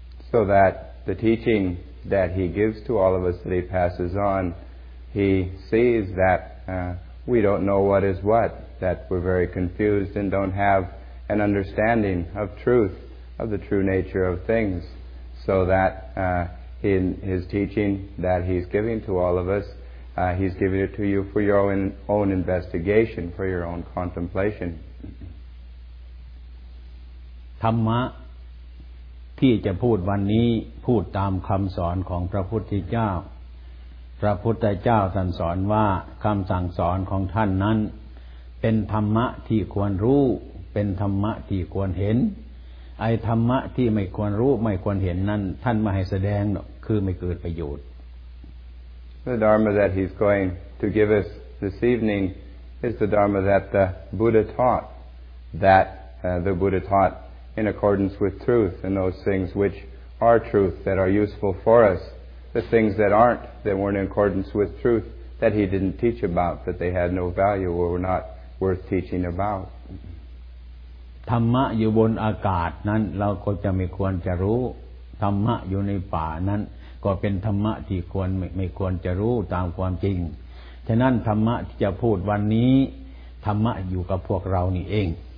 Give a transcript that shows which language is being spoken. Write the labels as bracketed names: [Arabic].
[English] So that the teaching that he gives to all of us that he passes on, he sees that we don't know what is what, that we're very confused and don't have an understanding of truth, of the true nature of things. So that in his teaching that he's giving to all of us, he's giving it to you for your own investigation, for your own contemplation. Dhamma. [Thai] ที่จะพูดวันนี้พูดตามคำสอนของพระพุทธเจ้าพระพุทธเจ้าท่านสอนว่าคำสั่งสอนของท่านนั้นเป็นธรรมะที่ควรรู้เป็นธรรมะที่ควรเห็นไอ้ธรรมะที่ไม่ควรรู้ไม่ควรเห็นนั้นท่านไม่ให้แสดงหรอกคือไม่เกิดประโยชน์ [English] The dharma that he's going to give us this evening is the dharma that the Buddha taught that the Buddha taughtin accordance with truth and those things which are truth that are useful for us the things that aren't that weren't in accordance with truth that he didn't teach about that they had no value or were not worth teaching about [Thai] ธรรมะอยู่บนอากาศนั้นเราก็จะไม่ควรจะรู้ธรรมะอยู่ในป่านั้นก็เป็นธรรมะที่ควรไม่ควรจะรู้ตามความจริงฉะนั้นธรรมะที่จะพูดวันนี้ธรรมะอยู่กับพวกเรานี่เอง